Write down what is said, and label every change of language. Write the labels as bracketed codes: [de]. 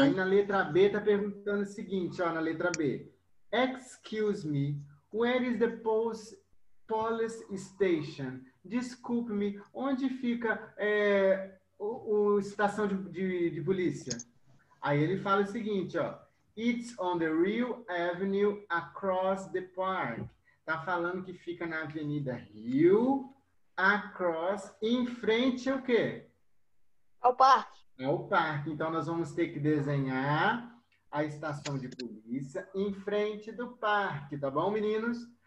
[pt] Aí na letra B está perguntando o seguinte, ó, na letra B. [en] Excuse me, where is the police station? [pt] Desculpe-me, onde fica a estação de polícia? Aí ele fala o seguinte, ó. [en] It's on the Rio Avenue across the park. [pt] Tá falando que fica na Avenida Rio, across, em frente ao quê? Ao parque. Ao parque. Então, nós vamos ter que desenhar a estação de polícia em frente do parque, tá bom, meninos?